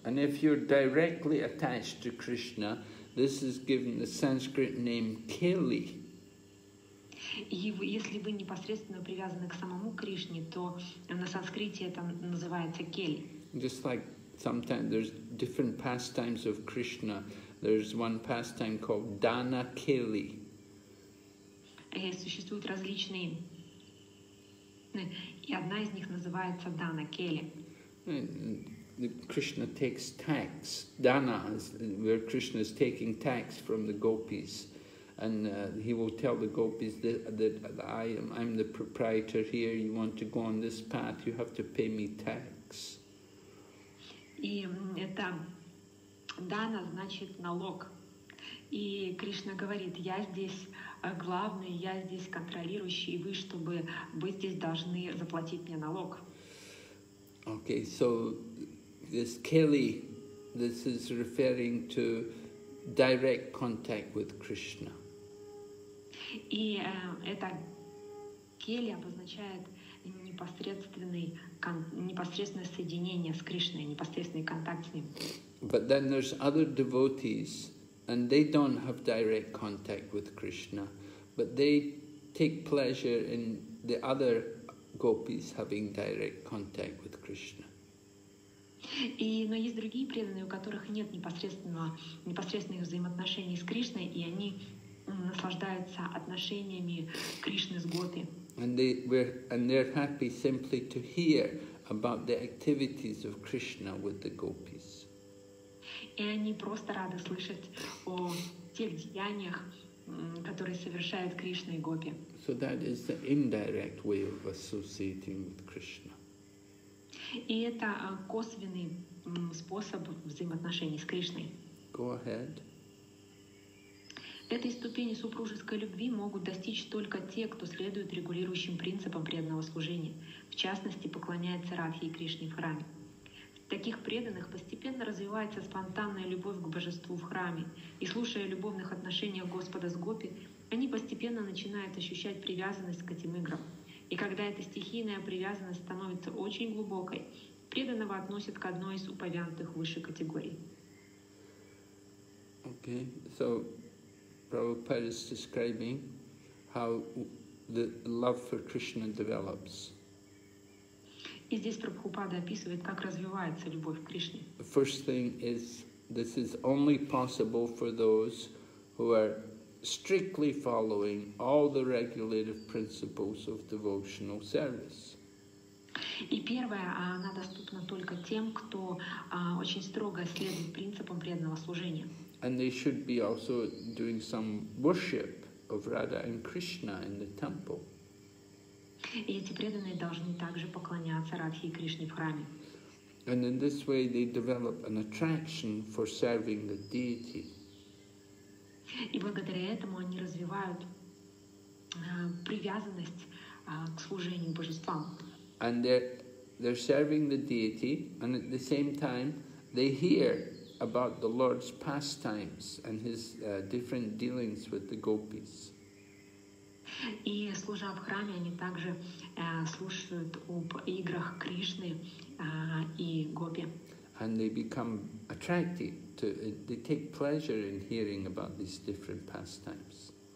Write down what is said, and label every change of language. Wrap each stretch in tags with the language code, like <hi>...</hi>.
<en>And if you're directly attached to Krishna, this is given the Sanskrit name Keli.</en> <ru>И если вы непосредственно привязаны к самому Кришне, то на санскрите это называется Keli.</ru> <en>Just like sometimes there's different pastimes of Krishna. There's one pastime called Dana Keli.</en> <ru>Существуют различные. И одна из них называется Дана Кели.</ru> <en>Krishna takes tax. Dana, where Krishna is taking tax from the gopis. and he will tell the gopis that I'm the proprietor here. You want to go on this path, you have to pay me tax.</en> <ru>И это дана значит налог. И Кришна говорит, я здесь главный, я здесь контролирующий, и вы, чтобы вы здесь должны заплатить мне налог.</ru> <en>Okay, so this Keli, this is referring to direct contact with Krishna.</en> <ru>И это Keli обозначает непосредственное соединение с Кришной, непосредственный контакт с ним.</ru> <en>But then there's other devotees, and they don't have direct contact with Krishna, but they take pleasure in the other gopis having direct contact with Krishna.</en> <ru>И, но есть другие преданные, у которых нет непосредственных взаимоотношений с Кришной, и они наслаждаются отношениями Кришны с Гопи.</ru> <en>And they're happy simply to hear about the activities of Krishna with the gopis.</en> <ru>И они просто рады слышать о тех деяниях, которые совершают Кришна и Гопи.</ru> <en>So that is the indirect way of associating with Krishna.</en> <ru>И это косвенный способ взаимоотношений с Кришной.</ru> <en>Go ahead.</en> <ru>Этой ступени супружеской любви могут достичь только те, кто следует регулирующим принципам преданного служения, в частности, поклоняется Радхе и Кришне в храме. В таких преданных постепенно развивается спонтанная любовь к божеству в храме, и, слушая о любовных отношениях Господа с Гопи, они постепенно начинают ощущать привязанность к этим играм. И когда эта стихийная привязанность становится очень глубокой, преданного относят к одной из упомянутых высшей категорий.</ru> <en>Okay, so Prabhupada is describing how the love for Krishna develops.</en> <ru>И здесь Прабхупада описывает, как развивается любовь к Кришне.</ru> <en>The first thing is, this is only possible for those who are strictly following all the regulative principles of devotional service.</en> <ru>И первое, она доступна только тем, кто очень строго следует принципам преданного служения.</ru> <en>And they should be also doing some worship of Radha and Krishna in the temple.</en> <ru>И эти преданные должны также поклоняться Радхе и Кришне в храме.</ru> <en>And in this way they develop an attraction for serving the deity.</en> <ru>И благодаря этому они развивают привязанность к служению божествам.</ru> <en>And they're serving the deity, and at the same time they hear about the Lord's pastimes and his different dealings with the gopis.</en> <ru>И, служа в храме, они также слушают об играх Кришны и Гопи.</ru> <en>And they become attracted to, they take pleasure in hearing about these different pastimes.</en>